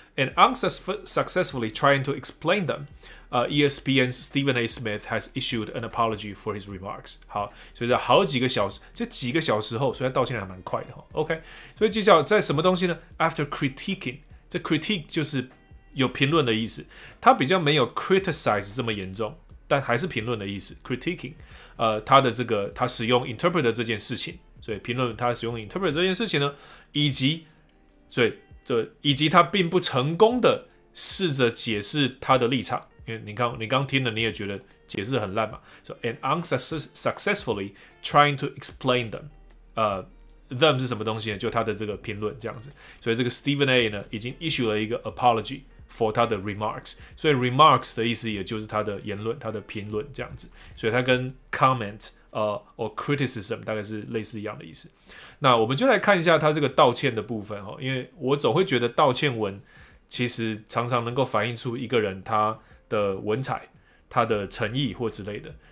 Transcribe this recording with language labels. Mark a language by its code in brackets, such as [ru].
[en] And unsuccessfully trying to explain them, ESPN's Stephen A. Smith has issued an apology for his remarks. [zh] 好，所以在好几个小时，这几个小时后，所以他道歉还蛮快的哈。 OK， 所以接下来在什么东西呢 ？ [en] After critiquing， [zh] 这 critique 就是有评论的意思，他比较没有 criticize 这么严重，但还是评论的意思。 Critiquing， 他的这个他使用 interpreter 这件事情，所以评论他使用 interpreter 这件事情呢，以及所以。以及他并不成功的试着解释他的立场，因为你刚听了，你也觉得解释很烂嘛。 [en] So and unsuccessfully trying to explain them， them [zh] 是什么东西呢？就他的这个评论这样子。所以这个 Stephen A 呢，已经 issue 了一个 apology for 他的 remarks。所以 remarks 的意思也就是他的言论、他的评论这样子。所以他跟 comment， [en] or criticism [zh] 大概是类似一样的意思。那我们就来看一下他这个道歉的部分，因为我总会觉得道歉文其实常常能够反映出一个人他的文采、他的诚意或之类的。